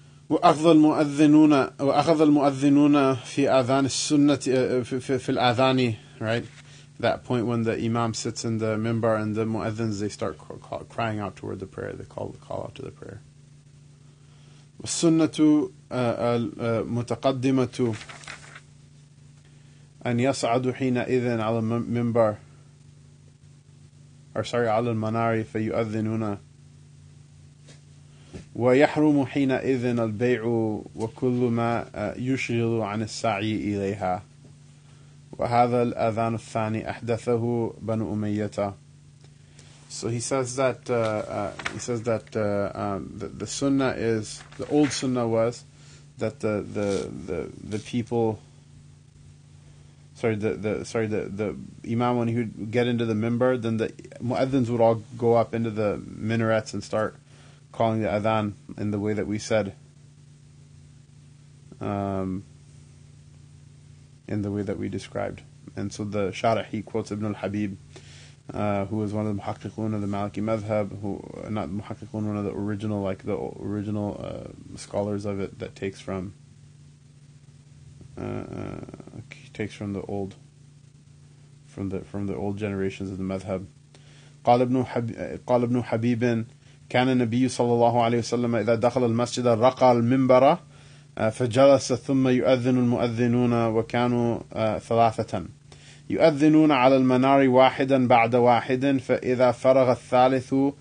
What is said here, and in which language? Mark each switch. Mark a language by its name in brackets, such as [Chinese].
[Arabic] وأخذ المؤذنون في أذان السنة في الأذان, [English] right? That point when the imam sits in the minbar and the muezzins, they start crying out toward the prayer. They call out to the prayer. [Arabic] والسنة المتقدمة أن يصعد حينئذ على المنبر [English] or sorry [Arabic] على المنار فيؤذنون ويحرم حينئذ البيع وكل ما يشغل عن السعي إليها وهذا الأذان الثاني أحدثه بنو أمية. [English] So he says that the sunnah is, the old sunnah was that the people, the imam, when he would get into the minbar, then the muezzins would all go up into the minarets and start calling the adhan in the way that we said. In the way that we described. And so the sharah, he quotes Ibn al-Habib, who was one of the muhakkikun of the Maliki Madhab, one of the original, like the original scholars of it that takes from the old generations of the madhab. [Arabic] قال ابن حبيب كان النبي صلى الله عليه وسلم إذا دخل المسجد رقى المنبر فجلس ثم يؤذن المؤذنون وكانوا ثلاثة يؤذنون على المنار واحدا بعد واحد فإذا فرغ الثالث